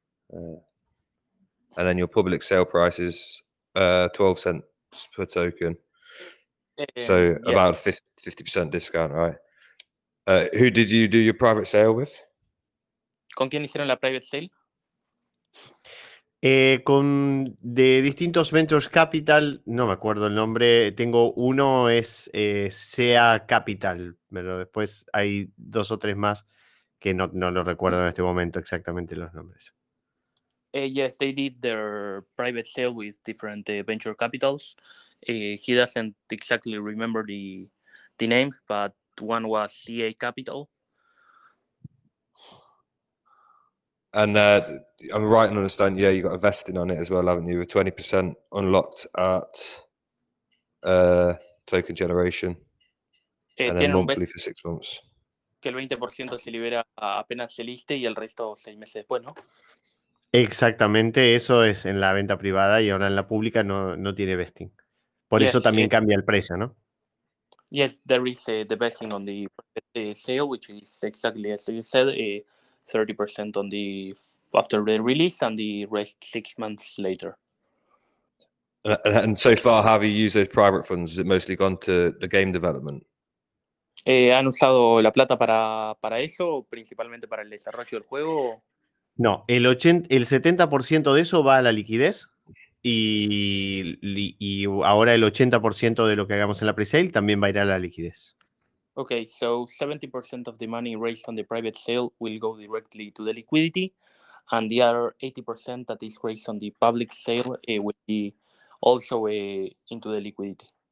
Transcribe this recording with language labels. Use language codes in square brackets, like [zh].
[en] And then your public sale price is 12 cents per token. So yeah. About 50% discount, right? Who did you do your private sale with? [es] ¿Con quién hicieron la [en] private sale? [es] Con de distintos Ventures Capital, no me acuerdo el nombre, tengo uno, es SEA Capital, pero después hay dos o tres más que no lo recuerdo en este momento exactamente los nombres. [en] Yes, they did their private sale with different Venture Capitals. He doesn't exactly remember the names, but one was CA Capital. And I'm right in understanding, yeah, you got a vesting on it as well, haven't you? With 20% unlocked at token generation. And then monthly for 6 months. [es] Que el 20% se libera apenas se liste y el resto 6 meses después, ¿no? Exactamente, eso es en la venta privada y ahora en la pública no tiene vesting. Por eso también cambia el precio, ¿no? [en] Yes, there is the vesting on the sale, which is exactly as you said, 30% on the after the release and the rest 6 months later. And so far, how have you used those private funds? Has it mostly gone to the game development? [es] Han usado la plata para eso, principalmente para el desarrollo del juego. No, el 70% de eso va a la liquidez. Y ahora el 80% de lo que hagamos en la pre-sale también va a ir a la liquidez. [en] Okay, so 70% of the money raised on the private sale will go directly to the liquidity, and the other 80% that is raised on the public sale will be also into the liquidity.